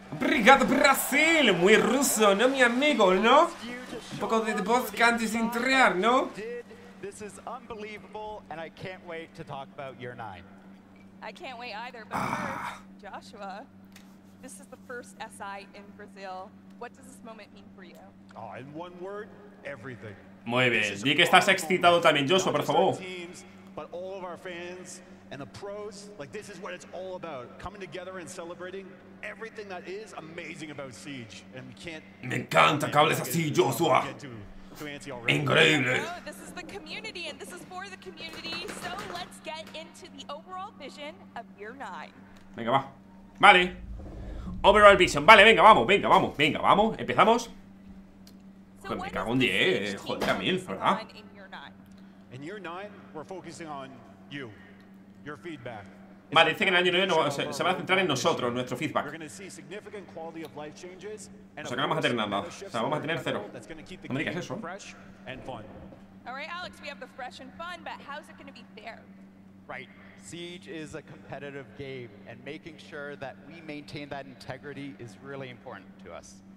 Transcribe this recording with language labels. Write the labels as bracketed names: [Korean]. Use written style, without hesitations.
[Spanish] Obrigado Brasil, muy ruso, ¿no, mi amigo, no? Un poco de vodka antes de entrar, ¿no? [English] This is unbelievable, and I can't wait to talk about year 9. I can't wait either, but first, Joshua, this is the first SI in Brazil. What does this moment mean for you? Oh, in one word, everything. [Spanish] Muy bien, di que estás excitado también, Joshua, por favor. [English] Teams, but all of our fans and the pros, like this is what it's all about, coming together and celebrating everything that is amazing about Siege. And we can't... [Spanish] Me encanta que hables así, Joshua. Increíble. [English] Oh, this is the community and this is for the community. So let's get into the overall vision of year 9. [Spanish] Venga, va. Vale. [English] Overall vision. [Spanish] Vale, venga, vamos, venga, vamos, venga, vamos. Empezamos. Joder, me cago en 10, joder, Camil, ¿verdad? [English] In year 9, we're focusing on you. Your feedback. [Spanish] Vale, dice que en el año 9 no, se va a centrar en nosotros, nuestro feedback. O sea que no vamos a tener nada. O sea, vamos a tener cero. No me digas eso. [English] Alright, Alex, we have the fresh and fun, but how's it gonna be there? Right. Siege is a competitive game, and making sure that we maintain that integrity is really important to us.